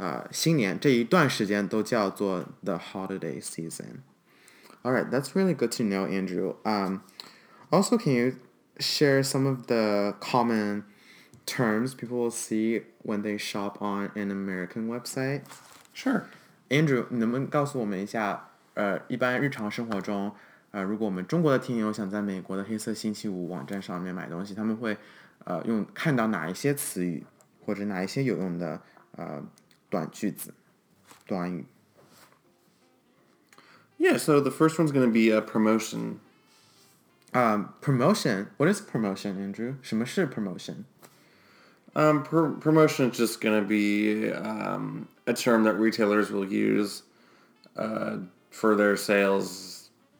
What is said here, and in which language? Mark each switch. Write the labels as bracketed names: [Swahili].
[Chinese] 新年这一段时间都叫做 the holiday season. [English] All right, that's really good to know, Andrew. Also, can you share some of the common terms people will see when they shop on an American website? Sure. [Chinese] Andrew, 你能不能告诉我们一下，一般日常生活中，如果我们中国的听友想在美国的黑色星期五网站上面买东西，他们会，用看到哪一些词语，或者哪一些有用的，短句子，短语。 [English] Yeah, so the first one's going to be a promotion. Promotion? What is promotion, Andrew? [Chinese] 什么是 [English] promotion? Promotion is just going to be a term that retailers will use for their sales.